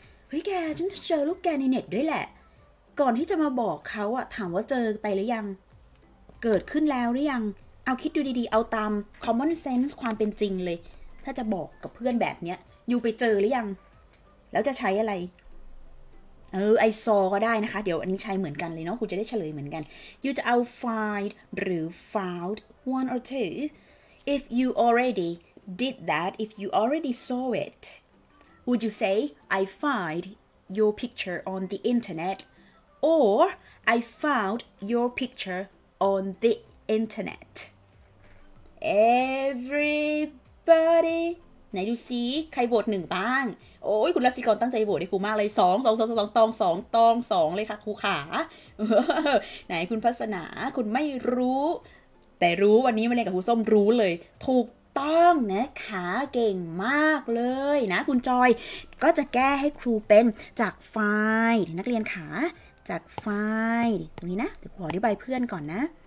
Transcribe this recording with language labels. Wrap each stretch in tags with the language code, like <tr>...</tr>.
<th>เฮ้ยแกฉันเจอลูกแกในเน็ตด้วยแหละก่อนที่จะมาบอกเขาอะถามว่าเจอไปหรือยังเกิดขึ้นแล้วหรือยังเอาคิดดูดีๆเอาตาม common sense ความเป็นจริงเลยถ้าจะบอกกับเพื่อนแบบเนี้ยอยู่ไปเจอหรือยังแล้วจะใช้อะไรเออไอซอก็ได้นะคะเดี๋ยวอันนี้ใช้เหมือนกันเลยเนาะคุณจะได้เฉลยเหมือนกันอยู่จะเอา find หรือ found</th> <en>one or two if you already did that if you already saw it? Would you say, I find your picture on the internet? Or, I found your picture on the internet? Everybody?</en> <th>ไหนดูซิใครโหวต1บ้างโอ้ยคุณรัศิกรตั้งใจโหวตให้ครูมากเลย2 2 2 2ตอง2ตอง2เลยค่ะครูขาไหนคุณพัสนาคุณไม่รู้แต่รู้วันนี้มาเรียนกับครูส้มรู้เลยถูกต้องนะคะเก่งมากเลยนะคุณจอยก็จะแก้ให้ครูเป็นจาก find นักเรียนขาจาก find ตรงนี้นะเดี๋ยวขออธิบายเพื่อนก่อนนะ</th>